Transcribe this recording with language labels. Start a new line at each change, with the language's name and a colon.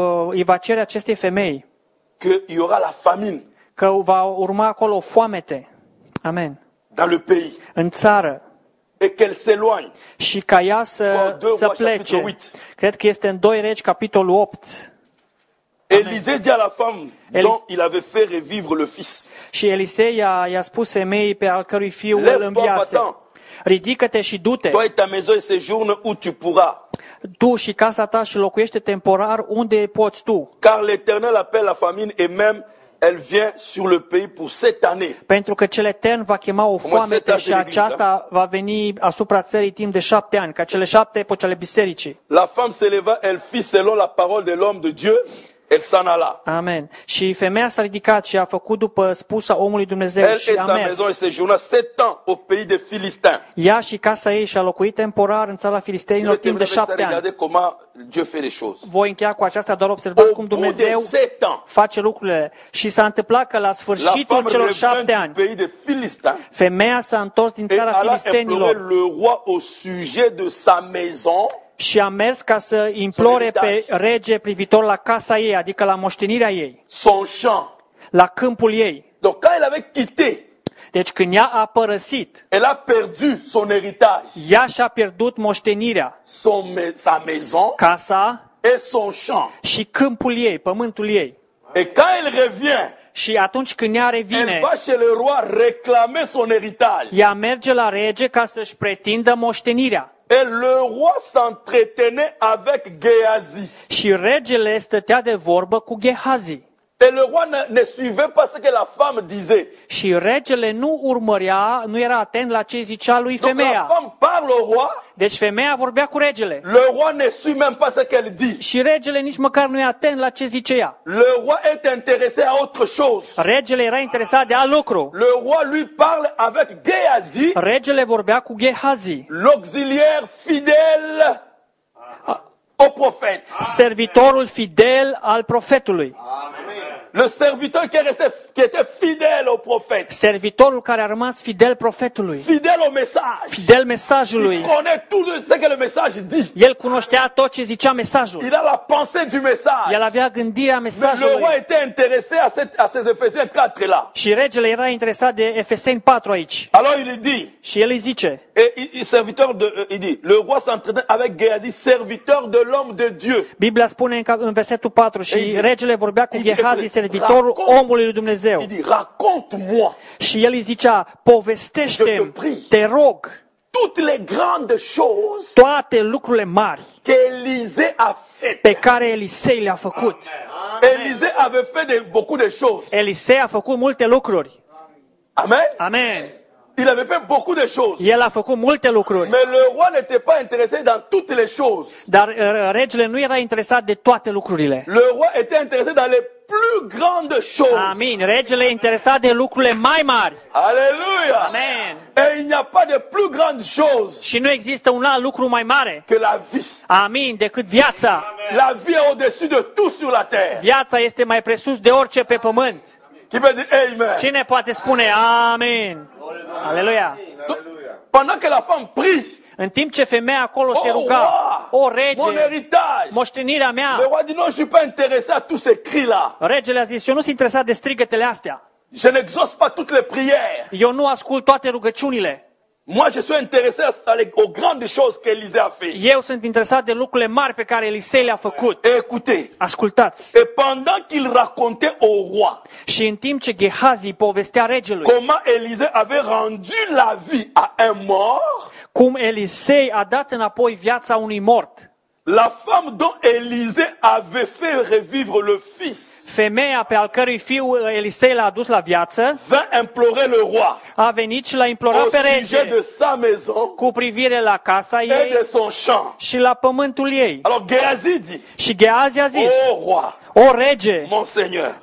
Romanian: Îi va cere acestei femei
French: că y aura la famine.
Romanian: Că va urma acolo foamete. Amen.
French: Dans le pays.
Romanian: În țară.
French: Et qu'elle s'éloigne.
Romanian: Și ca ea să plece. Cred că este în 2 Regi capitolul 8.
French: Élisée dit à la femme dont il avait fait revivre le fils.
Romanian: Și Elisei i-a spus femeii pe al cărui fiul îl înviase. Ridică-te și du-te.
French: Toi et ta maison et séjourne où tu pourras.
Romanian: Tu și casa ta și locuiește temporar unde poți tu.
French: Car l'Éternel appelle la famine et même elle vient sur le pays pour cette année.
Romanian: Pentru că cel Etern va chema o foamete și aceasta va veni asupra țării timp de 7 ani, ca cele 7 epoci ale bisericii.
French: La femme se leva, elle fit selon la parole de l'homme de Dieu.
Romanian: El s-a înalat. Amen. Și femeia s-a ridicat și a făcut după spusa omului Dumnezeu el și a mers. El și
French: sa maison séjourna 7 ans au pays des Philistins.
Romanian: Ea și casa ei și a locuit temporar în țara filisteinilor timp de 7 ani. Vedeți cum Dumnezeu face lucrurile. Voi încheia cu aceasta, doar observați cum Dumnezeu face lucrurile. Și s-a întâmplat că la sfârșitul celor 7 ani, femeia s-a întors din țara filisteinilor.
French: Elle a implorat le roi au sujet de sa maison.
Romanian: Și a mers ca să implore pe rege privitor la casa ei, adică la moștenirea ei.
French: Son champ.
Romanian: La câmpul ei.
French: Donc quand elle avait quitté.
Romanian: Deci când ea a părăsit.
French: Elle a perdu son héritage.
Romanian: Ea și-a pierdut moștenirea.
French: Son sa maison.
Romanian: Casa.
French: Et son champ.
Romanian: Și câmpul ei, pământul ei.
French: Et quand elle revient.
Romanian: Și atunci când ea revine.
French: Elle va chez le roi réclamer son héritage.
Romanian: Ea merge la rege ca să-și pretindă moștenirea.
French: Et le roi s'entretenait avec Gehazi.
Romanian: Și regele stătea de vorbă cu Gehazi.
French: Et le roi ne suivait pas ce que la femme disait.
Romanian: Și regele nu urmărea, nu era atent la ce zicea lui femeia.
French: Donc la femme parle au roi.
Romanian: Deci femeia vorbea cu regele.
French: Le roi ne suit même pas ce qu'elle dit.
Romanian: Și regele nici măcar nu e atent la ce zice ea.
French: Le roi est intéressé à autre chose.
Romanian: Regele era interesat de alt lucru.
French: Le roi lui parle avec Gehazi.
Romanian: Regele vorbea cu Gehazi.
French: L'auxiliaire fidèle au prophète.
Romanian: Servitorul fidel al profetului.
French: Le serviteur qui était fidèle au prophète.
Romanian: Servitorul care a rămas fidel profetului.
French: Fidèle au message.
Romanian: Fidel mesajului.
French: Il connaît tout ce que le message dit.
Romanian: El cunoștea tot ce zicea mesajul.
French: Il a la pensée du message.
Romanian: El avea gândirea mesajului.
French: Le roi était intéressé à ces Ephésiens 4 là.
Romanian: Și regele era interesat de Efeseni 4 aici.
French: Alors il dit.
Romanian: Și el îi zice.
French: Et serviteur de il dit, le roi s'entretenait avec Gehazi, serviteur de l'homme de Dieu.
Romanian: Biblia spune în versetul 4 și regele vorbea cu Gehazi, servitorul omului lui Dumnezeu. Îi zice,
French: raconte-moi.
Romanian: Și el îi zicea, povestește-mi, te rog,
French: toutes les grandes choses,
Romanian: toate lucrurile mari
French: que Élisée a fait.
Romanian: Pe care Elisei le-a făcut.
French: Élisée avait fait de beaucoup de choses.
Romanian: Elisei a făcut multe lucruri. Amen. Amen.
French: Il avait fait beaucoup de choses.
Romanian: El a făcut multe lucruri.
French: Mais le roi n'était pas intéressé dans toutes les choses.
Romanian: Dar regele nu era interesat de toate lucrurile.
French: Le roi était intéressé dans les plus grandes choses.
Romanian: Amin. Regele e interesat de lucrurile mai mari. Alléluia. Amen.
French: Et il n'y a pas de plus grandes choses.
Romanian: Și nu există un alt lucru mai mare.
French: Que la vie.
Romanian: Amin. Decât viața. Amen.
French: La vie est au-dessus de tout sur la terre.
Romanian: Viața este mai presus de orice pe pământ. Cine poate spune amin? Aleluia.
French: Pendant que la femme prie.
Romanian: În timp ce femeia acolo se ruga. O rege. Moștenirea mea.
French: Le roi dit non, je suis pas intéressé à tous ces cris là.
Romanian: Regele a zis, eu nu sunt interesat de strigătele astea.
French: Je n'exauce pas toutes les prières.
Romanian: Eu nu ascult toate rugăciunile.
French: Moi, je suis intéressé à les, aux grandes choses qu'Élisée a fait.
Romanian: Eu sunt interesat de lucrurile mari pe care Elisei le-a făcut.
French: Écoutez.
Romanian: Ascultați.
French: Et pendant qu'il racontait au roi.
Romanian: Și în timp ce Gehazi povestea regelui.
French: Comment Élisée avait rendu la vie à un mort?
Romanian: Cum Elisei a dat înapoi viața unui mort?
French: La femme dont Élisée avait fait revivre le fils.
Romanian: Femeia pe al cărui fiu Elisei l-a adus la viață.
French: Va implorer le roi.
Romanian: A venit și l-a implorat pe rege.
French: Au sujet de sa maison.
Romanian: Cu privire la casa ei.
French: Et de son champ.
Romanian: Și la pământul ei.
French: Alors Gehazi dit.
Romanian: Și Gehazi a zis.
French: O roi.
Romanian: O rege.
French: Mon seigneur.